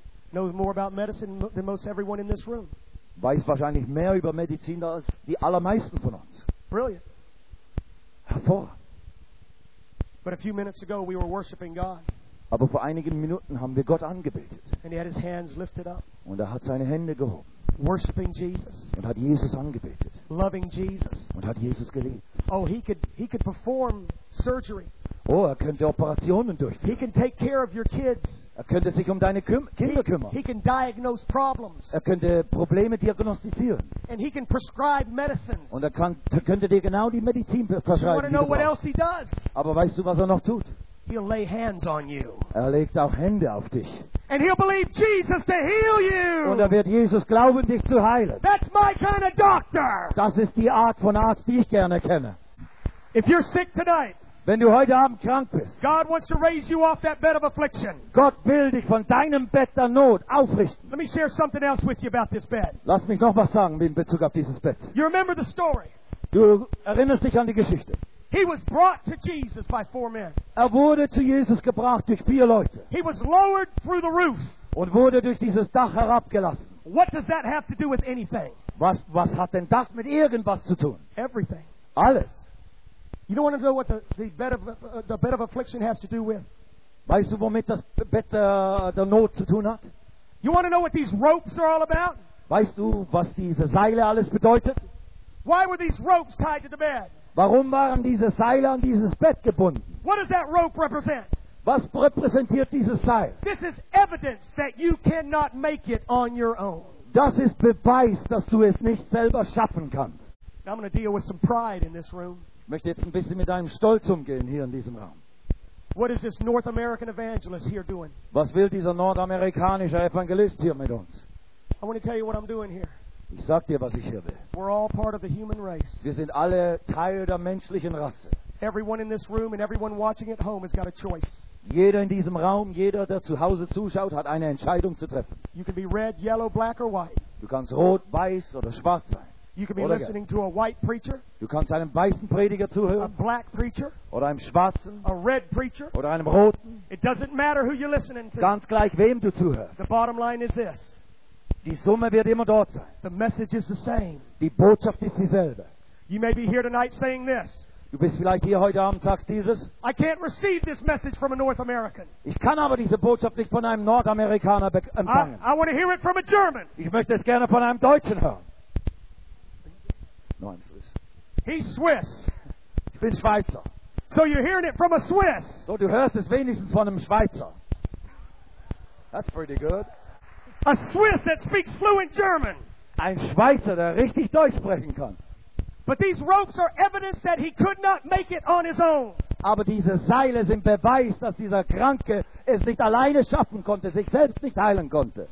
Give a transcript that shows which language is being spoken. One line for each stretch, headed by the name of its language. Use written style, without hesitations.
English: Knows more about medicine than most everyone in this room.
German: Weiß wahrscheinlich mehr über Medizin als die allermeisten von uns.
English: Brilliant.
German: Hervor.
English: But a few minutes ago we were worshiping God.
German: Aber vor einigen Minuten haben wir Gott angebetet.
English: And he had his hands lifted up.
German: Und er hat seine Hände gehoben.
English: Worshiping Jesus.
German: Und hat Jesus angebetet.
English: Loving Jesus.
German: Und hat Jesus geliebt.
English: Oh, he could perform surgery.
German: Oh, er könnte Operationen durchführen.
English: He can take care of your kids.
German: Er könnte sich deine Kinder kümmern.
English: He can diagnose problems.
German: Er könnte Probleme diagnostizieren.
English: And he can prescribe medicines.
German: Und könnte dir genau die Medizin verschreiben.
English: You want to know what else he does?
German: Aber weißt du, was noch tut?
English: He'll lay hands on you.
German: Er legt auch Hände auf dich.
English: And he'll believe Jesus to heal you.
German: Und wird Jesus glauben, dich zu heilen.
English: That's my kind of doctor.
German: Das ist die Art von Arzt, die ich gerne kenne.
English: If you're sick tonight,
German: wenn du heute Abend krank bist,
English: God wants to raise you off that bed of affliction.
German: Gott will dich von deinem Bett der Not aufrichten.
English: Let me share something else with you about this bed.
German: Lass mich noch was sagen in Bezug auf dieses Bett.
English: You remember the story?
German: Du erinnerst dich an die Geschichte.
English: He was brought to Jesus by four men.
German: Er wurde zu Jesus gebracht durch vier Leute.
English: He was lowered through the roof.
German: Und wurde durch dieses Dach herabgelassen.
English: What does that have to do with anything?
German: Was hat denn das mit irgendwas zu tun?
English: Everything.
German: Alles.
English: You don't want to know what the bed of affliction has to do with?
German: Weißt du, womit das Bett der Not zu tun hat?
English: You want to know what these ropes are all about?
German: Weißt du, was diese Seile alles bedeutet?
English: Why were these ropes tied to the bed?
German: Warum waren diese Seile an dieses Bett gebunden?
English: What does that rope represent?
German: Was repräsentiert dieses Seil?
English: This is evidence that you cannot make it on your own.
German: Das ist Beweis, dass du es nicht selber schaffen kannst.
English: I'm going to deal with some pride in this room.
German: Ich möchte jetzt ein bisschen mit deinem Stolz umgehen hier in diesem Raum.
English: What is this North American evangelist here doing?
German: Was will dieser nordamerikanische Evangelist hier mit uns?
English: I want to tell you what I'm doing here.
German: Ich sag dir, was ich hier will.
English: We're all part of the human race.
German: Wir sind alle Teil der menschlichen Rasse.
English: Everyone in this room and everyone watching at home has got a choice.
German: Jeder in diesem Raum, jeder, der zu Hause zuschaut, hat eine Entscheidung zu treffen.
English: You can be red, yellow, black or white.
German: Du kannst rot, weiß oder schwarz sein.
English: You can be listening to a white preacher.
German: Du kannst einem weißen Prediger zuhören.
English: A black preacher.
German: Oder einem schwarzen.
English: A red preacher.
German: Oder einem roten.
English: It doesn't matter who you're listening to.
German: Ganz gleich, wem du zuhörst.
English: The bottom line is this.
German: Die Summe wird immer dort sein.
English: The message is the same.
German: Die Botschaft ist dieselbe.
English: You may be here tonight saying this.
German: Du bist vielleicht hier heute Abend, sagst dieses.
English: I can't receive this message from a North American.
German: Ich kann aber diese Botschaft nicht von einem Nordamerikaner empfangen.
English: I want to hear it from a German.
German: Ich möchte es gerne von einem Deutschen hören.
English: No, I'm Swiss. He's Swiss.
German: Ich bin Schweizer.
English: So you're hearing it from a Swiss.
German: So du hörst es wenigstens von einem Schweizer.
English: That's pretty good. A Swiss that speaks fluent German.
German: Ein Schweizer, der richtig Deutsch sprechen kann.
English: But these ropes are evidence that he could not make it on his own.
German: Aber diese Seile sind Beweis, dass dieser Kranke es nicht alleine schaffen konnte, sich selbst nicht heilen konnte.